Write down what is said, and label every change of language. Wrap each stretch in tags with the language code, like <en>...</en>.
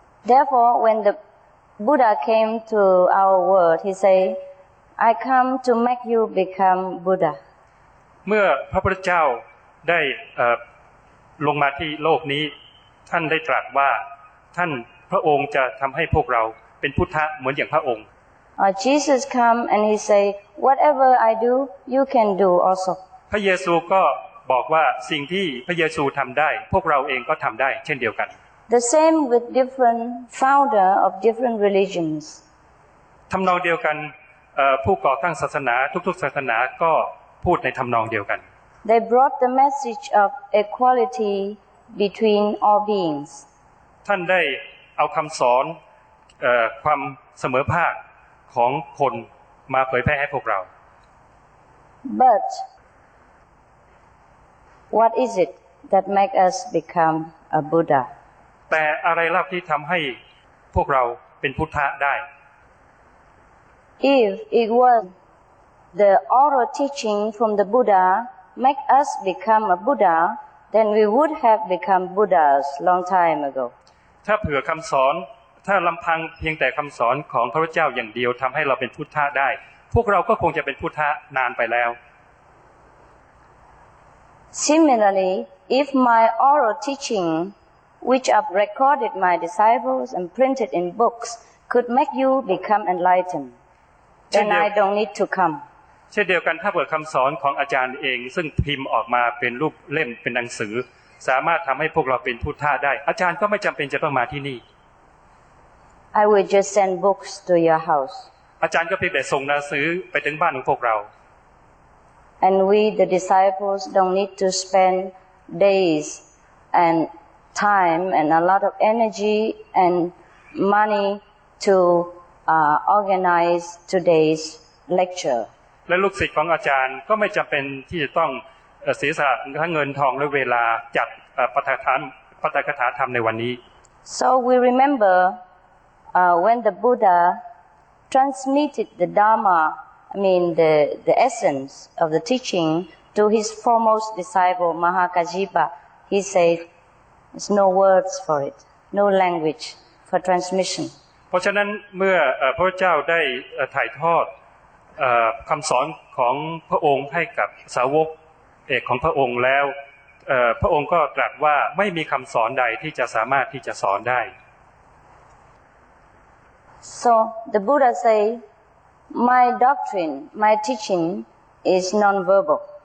<en>Therefore, when the Buddha came to our world, he said, "I come to make you become Buddha."</en> <th>เมื่อพระพุทธเจ้าได้ลงมาที่โลกนี้ท่านได้ตรัสว่าท่านพระองค์จะทำให้พวกเราเป็นพุทธะเหมือนอย่างพระองค์</th> <en>Jesus come and he said, "Whatever I do, you can do also."</en> <th>พระเยซูก็บอกว่าสิ่งที่พระเยซูทำได้พวกเราเองก็ทำได้เช่นเดียวกัน</th> <en>The same with different founder of different religions.</en> <th>ทำนองเดียวกันผู้ก่อตั้งศาสนาทุกๆศาสนาก็พูดในทำนองเดียวกัน</th> <en>They brought the message of equality between all beings.</en> <th>ท่านได้เอาคำสอนความเสมอภาคของคนมาเผยแพร่ให้พวกเรา</th> <en>But what is it that make us become a Buddha?</en> <th>แต่อะไรล่ะที่ทำให้พวกเราเป็นพุทธะได้</th> <en>If it was the oral teaching from the Buddha make us become a Buddha then we would have become Buddhas long time ago</en> <th>ถ้าเผื่อคำสอนถ้าลำพังเพียงแต่คำสอนของพระพุทธเจ้าอย่างเดียวทำให้เราเป็นพุทธะได้พวกเราก็คงจะเป็นพุทธะนานไปแล้ว</th> <en>Similarly if my oral teachingwhich have recorded my disciples and printed in books could make you become enlightened then I don't need to come</en> <th>เช่นเดียวกันถ้าเปิดคำสอนของอาจารย์เองซึ่งพิมพ์ออกมาเป็นรูปเล่มเป็นหนังสือสามารถทำให้พวกเราเป็นพุทธะได้อาจารย์ก็ไม่จำเป็นจะต้องมาที่นี่</th> <en>I will just send books to your house</en> <th>อาจารย์ก็เพียงแต่ส่งหนังสือไปถึงบ้านของพวกเรา</th> <en>and we the disciples don't need to spend days andtime and a lot of energy and money to organize today's lecture</en> <th>และลูกศิษย์ของอาจารย์ก็ไม่จําเป็นที่จะต้องเสียสละทั้งเงินทองและเวลาจัดปาฐกถาธรรมในวันนี้</th> <en>So we remember when the Buddha transmitted the Dharma I mean the essence of the teaching to his foremost disciple Mahakajipa he saidThere's no words for it, no language for transmission.</en> <th>เพราะฉะนั้นเมื่อพระเจ้าได้ถ่ายทอดคำสอนของพระองค์ให้กับสาวกเอกของพระองค์แล้วพระองค์ก็ตรัสว่าไม่มีคำสอนใดที่จะสามารถที่จะสอนได้</th> <en>So the Buddha say, my doctrine, my teaching is non-verbal.</en>